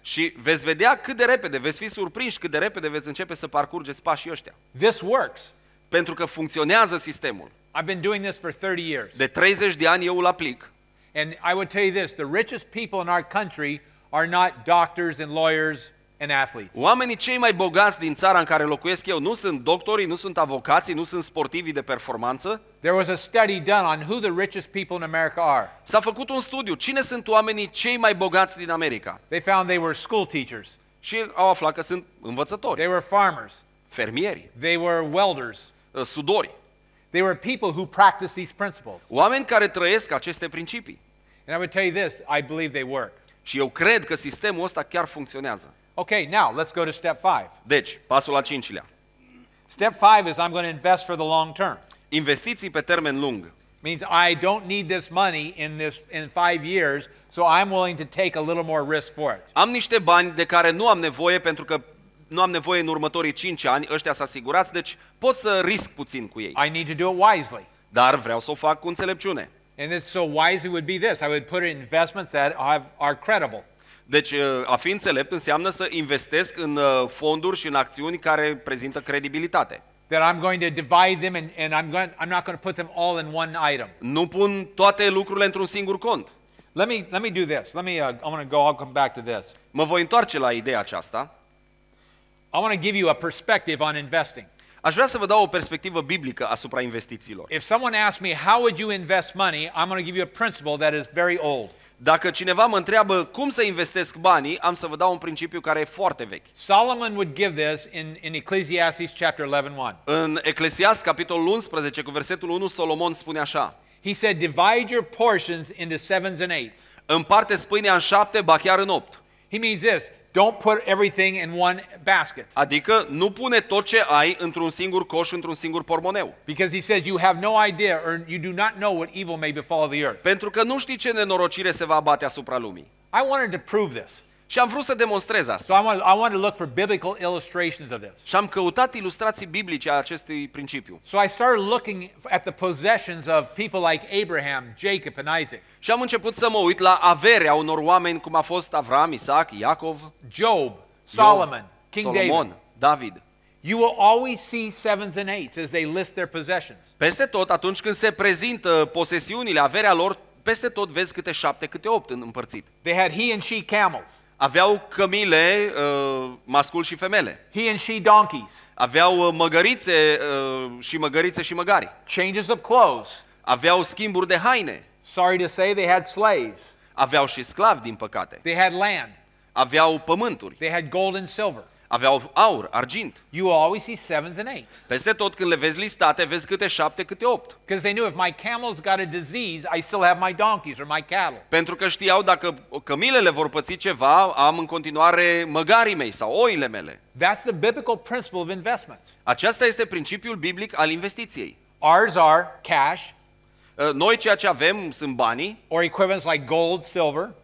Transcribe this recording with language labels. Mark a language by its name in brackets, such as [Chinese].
[Romanian] Și veți vedea cât de repede, veți fi surprinși cât de repede veți începe să parcurgeți pașii ăștia. [English] This works. [Romanian] Pentru că funcționează sistemul. [English] I've been doing this for 30 years. [Romanian] De 30 de ani eu îl aplic. [English] And I would tell you this, the richest people in our country are not doctors and lawyers and athletes. [Romanian] Oamenii cei mai bogați din țara în care locuiesc eu nu sunt doctorii, nu sunt avocații, nu sunt sportivii de performanță. [English] There was a study done on who the richest people in America are. [Romanian] S-a făcut un studiu, cine sunt oamenii cei mai bogați din America? [English] They found they were school teachers. [Romanian] Și au aflat că sunt învățători. [English] They were farmers. [Romanian] Fermieri. [English] They were welders. [Romanian] Sudori. [English] They were people who practiced these principles. [Romanian] Oameni care trăiesc aceste principii. [English] And I would tell you this, I believe they work. [Romanian] Și eu cred că sistemul ăsta chiar funcționează. [English] Okay, now let's go to step 5. [Romanian] Deci, pasul al cincilea. [English] Step 5 is I'm going to invest for the long term. [Romanian] Investiții pe termen lung. [English] Means I don't need this money in 5 years, so I'm willing to take a little more risk for it. [Romanian] Am niște bani de care nu am nevoie pentru că nu am nevoie în următorii 5 ani, ăștia s-a asigurați, deci pot să risc puțin cu ei. [English] I need to do it wisely. [Romanian] Dar vreau să o fac cu înțelepciune. [English] And it's so wisely would be this, I would put it in investments that are credible. [Romanian] Deci a fi înțelept înseamnă să investesc în fonduri și în acțiuni care prezintă credibilitate. [English] That I'm going to divide them and I'm not going to put them all in one item. [Romanian] Nu pun toate lucrurile într-un singur cont. [English] Let me do this. I'll come back to this. [Romanian] Mă voi întoarce la ideea aceasta. [English] I want to give you a perspective on investing. [Romanian] Aș vrea să vă dau o perspectivă biblică asupra investițiilor. [English] If someone asks me how would you invest money, I'm going to give you a principle that is very old. [Romanian] Dacă cineva mă întreabă cum să investesc banii, am să vă dau un principiu care e foarte vechi. [English] Solomon would give this in Ecclesiastes chapter 11:1. [Romanian] În Ecclesiast capitolul 11 cu versetul 1, Solomon spune așa. [English] He said, "Divide your portions into sevens and eights." [Romanian] Împarte pâinea în șapte, ba chiar în opt. [English] He means this, don't put everything in one basket. [Romanian] Adică nu pune tot ce ai într-un singur coș, într-un singur pormoneu. [English] Because he says you have no idea or you do not know what evil may befall the earth. [Romanian] Pentru că nu știi ce nenorocire se va abate asupra lumii. [English] I wanted to prove this. [Romanian] Și am vrut să demonstrez asta. [English] So I want to look for biblical illustrations of this. [Romanian] Și am căutat ilustrații biblice a acestui principiu. [English] So I started looking at the possessions of people like Abraham, Jacob and Isaac. [Romanian] Și am început să mă uit la averea unor oameni cum a fost Avram, Isaac, Iacov, [English] Job, Solomon, King Solomon, David. You will always see sevens and eights as they list their possessions. [Romanian] Peste tot atunci când se prezintă posesiunile, averea lor, peste tot vezi câte șapte, câte opt împărțit. [English] They had he and she camels. [Romanian] Aveau cămile mascul și femele. [English] He and she donkeys. [Romanian] Aveau măgărițe și măgărițe și măgari. [English] Changes of clothes. [Romanian] Aveau schimburi de haine. [English] Sorry to say they had slaves. [Romanian] Aveau și sclavi, din păcate. [English] They had land. [Romanian] Aveau pământuri. [English] They had gold and silver. [Romanian] Aveau aur, argint. [English] You will always see sevens and eights. [Romanian] Peste tot când le vezi listate, vezi câte șapte, câte opt. [English] Because they knew if my camel's got a disease, I still have my donkeys or my cattle. [Romanian] Pentru că știau dacă cămilele vor păți ceva, am în continuare măgarii mei sau oile mele. [English] That's the biblical principle of investments. [Romanian] Aceasta este principiul biblic al investiției. [English] Ours are cash. [Romanian] Noi ceea ce avem sunt banii. [English] Or equivalents like gold, silver.